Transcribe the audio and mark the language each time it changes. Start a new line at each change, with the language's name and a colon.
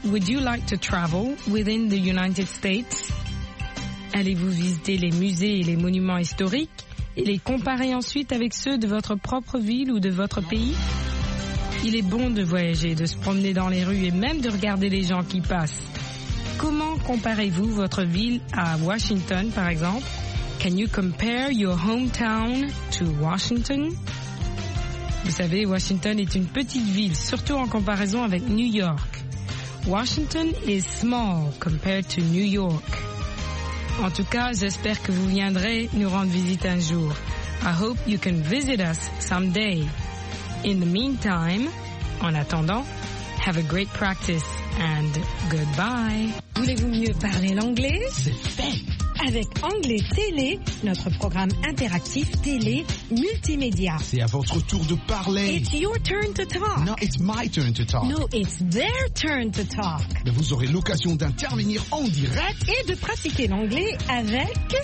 English: Would you like to travel within the United States?
French: Allez-vous visiter les musées et les monuments historiques et les comparer ensuite avec ceux de votre propre ville ou de votre pays? Il est bon de voyager, de se promener dans les rues et même de regarder les gens qui passent. Comment comparez-vous votre ville à Washington, par exemple?
English: Can you compare your hometown to Washington?
French: Vous savez, Washington est une petite ville, surtout en comparaison avec New York.
English: Washington is small compared to New York.
French: En tout cas, j'espère que vous viendrez nous rendre visite un jour.
English: I hope you can visit us someday. In the meantime,
French: en attendant,
English: have a great practice and goodbye.
French: Voulez-vous mieux parler l'anglais? C'est fait! Avec Anglais Télé, notre programme interactif télé multimédia. C'est à votre tour de parler.
English: It's your turn to talk. No, it's my turn to talk. No, it's their turn to talk.
French: Mais vous aurez l'occasion d'intervenir en direct. Et de pratiquer l'anglais avec...